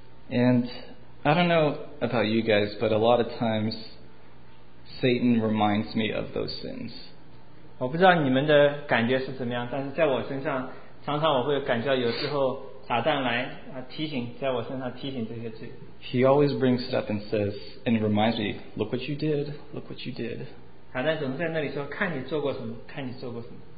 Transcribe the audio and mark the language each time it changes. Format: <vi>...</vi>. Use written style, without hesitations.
<en>And I don't know about you guys, but a lot of times Satan reminds me of those sins.</en> <zh>我不知道你们的感觉是怎么样，但是在我身上，常常我会感觉到有时候撒旦来提醒，在我身上提醒这些罪。</zh> <en>He always brings it up and says, and reminds me, look what you did, look what you did.</en> <zh>撒旦总在那里说，看你做过什么，看你做过什么。</zh>